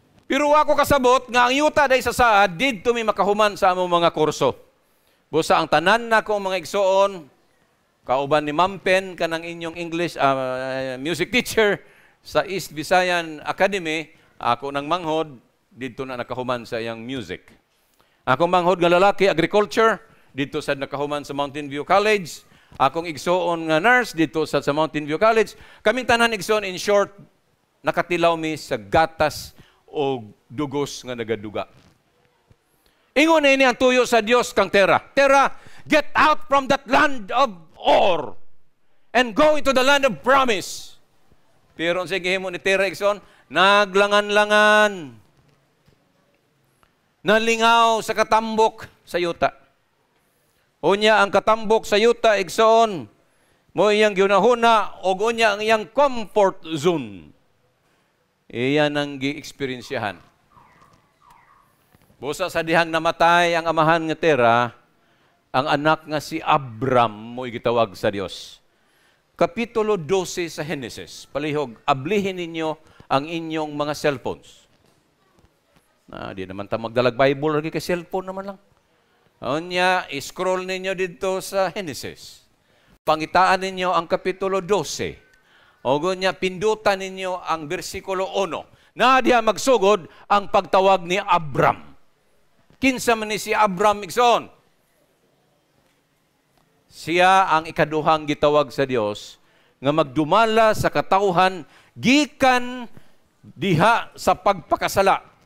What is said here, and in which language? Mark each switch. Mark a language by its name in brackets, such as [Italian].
[Cebuano] Pero ako kasabot nga ang yuta day sa saad didto mi makahuman sa among mga kurso. Busa ang tanan na ko mga igsoon. Kauban ni Ma'am Pen, kanang inyong English music teacher sa East Visayan Academy, ako nang manghod, dito na nakahuman sa iyang music. Ako manghod nga lalaki, agriculture, dito sa nakahuman sa Mountain View College. Akong igsoon nga nurse, dito sa Mountain View College. Kaming tanan igsoon, in short, nakatilaw mi sa gatas o dugos nga nagaduga. Ingon na ini ang tuyo sa Dios kang Terra. [English] Terra, get out from that land of or and go into the land of promise. [Cebuano] Pero ang sige mo ni Terra Ikson, naglangan-langan. Nalingaw sa katambok sa yuta. Unya ang katambok sa yuta Ikson, mo iyang ginahuna o unya ang iyang comfort zone. Iyan ang gi-experiensyahan. Busa sa dihang namatay ang amahan ni Terra, ang anak nga si Abram mo igitawag sa Dios. Kapitulo 12 sa Genesis. Palihog, ablihin ninyo ang inyong mga cellphones. Na, di naman tayo magdalag Bible, lagi kay cellphone naman lang. Onya, iscroll ninyo dito sa Genesis. Pangitaan ninyo ang kapitulo 12. Ogo niya, pindutan ninyo ang versikulo 1. Na diya magsugod ang pagtawag ni Abram. Kinsa man ni si Abram Ikson? Siya ang ikaduhang gitawag sa Dios nga magdumala sa katauhan gikan diha sa pagpakasala.